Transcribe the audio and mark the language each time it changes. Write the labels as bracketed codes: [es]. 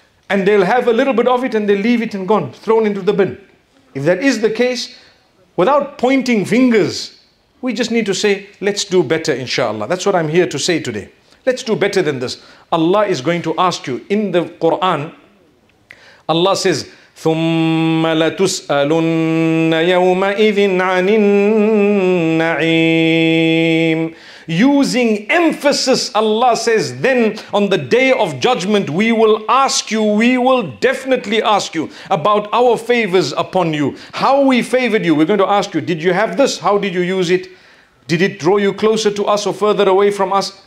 [en] And they'll have a little bit of it and they leave it and gone, thrown into the bin. If that is the case, without pointing fingers, we just need to say, let's do better, inshallah. That's what I'm here to say today. Let's do better than this. Allah is going to ask you in the Quran. Allah says, [ar] ثُمَّ لَتُسْأَلُنَّ يَوْمَئِذٍ عَنِ النَّعِيمِ. [en] Using emphasis, Allah says, then on the day of judgment, we will ask you, we will definitely ask you about our favors upon you. How we favored you. We're going to ask you, did you have this? How did you use it? Did it draw you closer to us or further away from us?